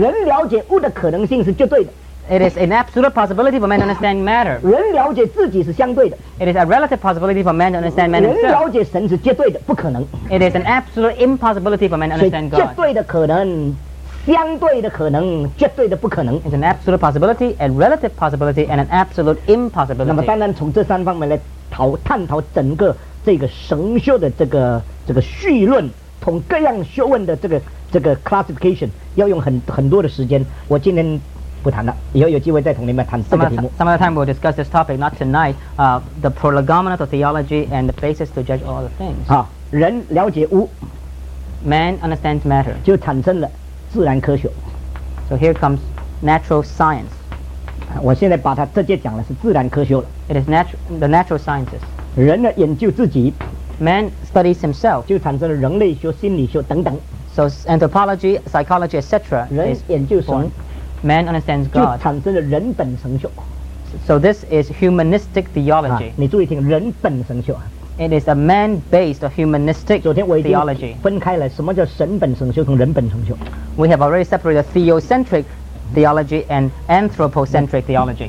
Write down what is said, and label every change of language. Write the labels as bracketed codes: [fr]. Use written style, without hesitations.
[zh] 人了解物的可能性是绝对的。 [en] It is an absolute possibility for man to understand matter. [zh] 人了解自己是相对的。 [en] It is a relative possibility for man to understand man himself. [zh] 人了解神是绝对的，不可能。 [en] It is an absolute impossibility for man to understand God. [zh] 所以绝对的可能，相对的可能，绝对的不可能。 [en] It's an absolute possibility, a relative possibility, and an absolute impossibility. [zh] 那么，单单从这三方面来探讨整个这个神学的这个绪论，从各样学问的这个 classification， 要用很多的时间。我今天。 [en] Some other time we'll discuss this topic, not tonight. The prolegomena of theology and the basis to judge all the things. [zh] 好，人了解物， [en] man understands matter. [zh] 就产生了自然科学。 [en] So here comes natural science. [zh] 我现在把它直接讲了是自然科学了。 [en] It is the natural sciences. [zh] 人呢研究自己， [en] man studies himself. [zh] 就产生了人类学、心理学等等。 [en] So anthropology, psychology, etc. [zh] 人研究神。 [en] Man understands God. [zh] 就产生了人本神学。 [en] So this is humanistic theology. [zh] 你注意听，人本神学。 [en] It is a man-based or humanistic theology. [zh] 分开了什么叫神本神学和人本神学。 [en] We have already separated theocentric theology and anthropocentric theology.